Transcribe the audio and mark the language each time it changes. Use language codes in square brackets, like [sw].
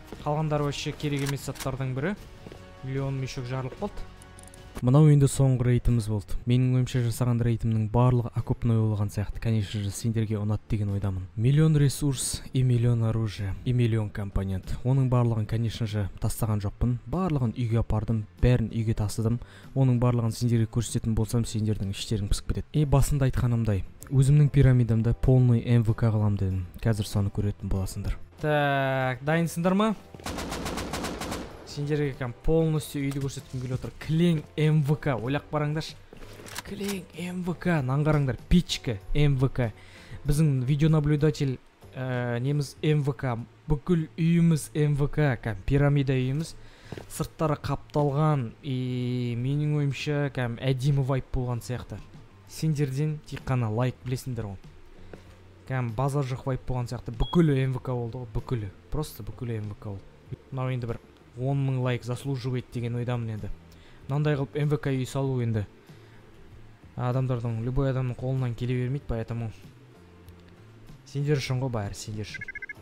[kk] Қалғандар [ru] вообще [kk] керек емес заттардың бірі. Миллион мешок жарылып болды. Мынау енді соңғы рейтіміз болды. Менің ойымша жасаған рейтімнің барлығы окопной болған сияқты. [ru] Конечно же, [kk] сендерге ұнады деген ойдамын. [ru] Миллион ресурс и миллион оружие. И миллион компонент. [kk] Оның барлығын, [ru] конечно же, [kk] тастаған жоқпын. Барлығын үйге апардым, бәрін үйге тасыдым. Оның барлығын сендерге көрсететін болсам, сендердің іштерің пысып кетеді. И басында айтқанымдай, өзімнің пирамидамды [ru] полный [kk] МВК қылам дедім. Қазір соны көретін боласыңдар. [ru] Так, [kk] дайынсыңдар ма? Сендерге кәм [ru] полностью [kk] үйді көрсеткім келіп отыр. Кілең МВК, ойлап қараңдаршы. Кілең МВК, нанғараңдар, печка МВК. Біздің [ru] видеонаблюдатель [kk] неміз МВК, бүкіл үйіміз МВК, кәм пирамида үйіміз, сырттары қапталған, и менің ойымша кәм әдемі вайп болған сияқты. Сендерден тек қана лайк білесіндер ғой. Кәм базар жоқ вайп болған сияқты, бүкіл МВК болды ғой, бүкіл. Просто бүкіл МВК болды. Мынау енді бір 10 000 лайк [ru] заслуживает [kk] деген ойдамын енді. Мынандай қылып МВК үй салу енді. Адамдардың, [ru] любой [kk] адамның қолынан келе бермейді, [ru] поэтому [kk] сендер үшін ғой, бәрі сендер үшін.